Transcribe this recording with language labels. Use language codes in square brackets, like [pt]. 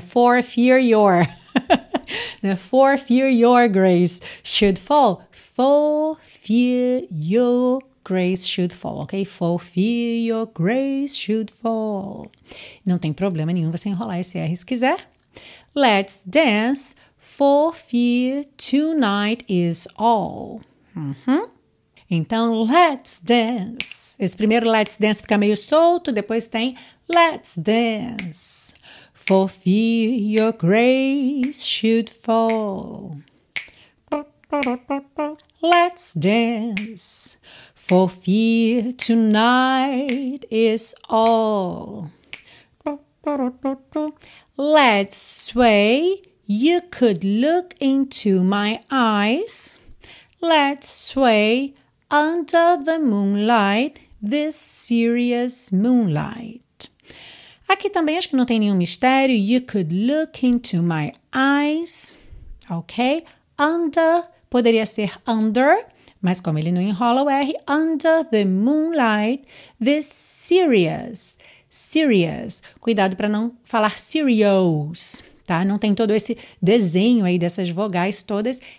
[en] For fear your. For fear your grace should fall. For fear your grace should fall, ok? For fear your grace should fall. [pt] Não tem problema nenhum você enrolar esse R se quiser. [en] Let's dance, for fear tonight is all. [pt] Uhum. Então, [en] let's dance. [pt] Esse primeiro let's dance fica meio solto, depois tem let's dance. [en] For fear your grace should fall. Let's dance, for fear tonight is all. Let's sway, you could look into my eyes. Let's sway under the moonlight, this serious moonlight. [pt] Aqui também acho que não tem nenhum mistério. [en] You could look into my eyes, ok? [pt] Under, poderia ser under, mas como ele não enrola o R, [en] under the moonlight, this serious. Serious. [pt] Cuidado para não falar serious, tá? Não tem todo esse desenho aí dessas vogais todas.